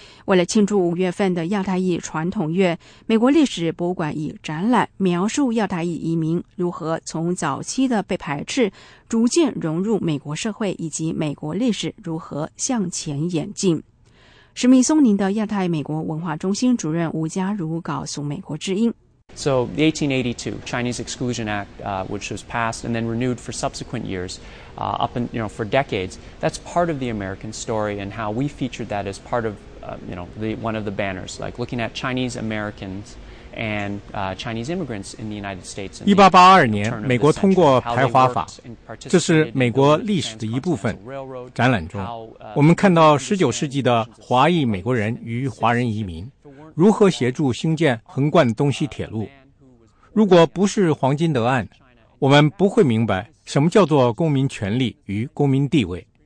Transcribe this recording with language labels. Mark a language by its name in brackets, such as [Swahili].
[Chinese] 为了庆祝五月份的亚太裔传统月，美国历史博物馆以展览描述亚太裔移民如何从早期的被排斥逐渐融入美国社会，以及美国历史如何向前演进。史密松宁的亚太美国文化中心主任吴家如告诉美国之音。 [English] So the 1882 Chinese Exclusion Act, which was passed and then renewed for subsequent years, for decades, that's part of the American story and how we featured that as part of, one of the banners, like looking at Chinese Americans and Chinese immigrants in the United States. [Chinese] 1882年，美国通过排华法，这是美国历史的一部分。展览中，我们看到19世纪的华裔美国人与华人移民。如何协助兴建横贯东西铁路？如果不是黄金德案，我们不会明白什么叫做公民权利与公民地位。